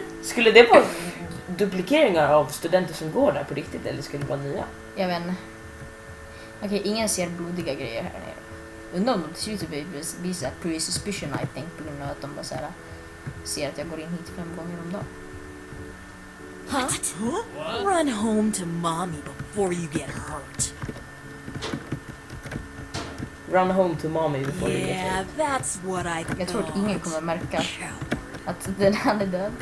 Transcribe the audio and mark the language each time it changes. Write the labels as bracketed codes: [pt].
[sv] Skulle det vara duplikeringar av studenter som går där på riktigt eller skulle det vara nya? Jag vet inte. Okej, ingen ser blodiga grejer här nere. Undra om de till slut blir såhär [en] pre-suspicion, I think, [sv] på grund av att de bara såhär ser att jag går in hit 5 gånger om dagen. [en] What? What? Run home to mommy before you get hurt. Run home to mommy before yeah, you get hurt. Yeah, that's what I thought. [sv] Jag tror att ingen kommer att märka att den här är död.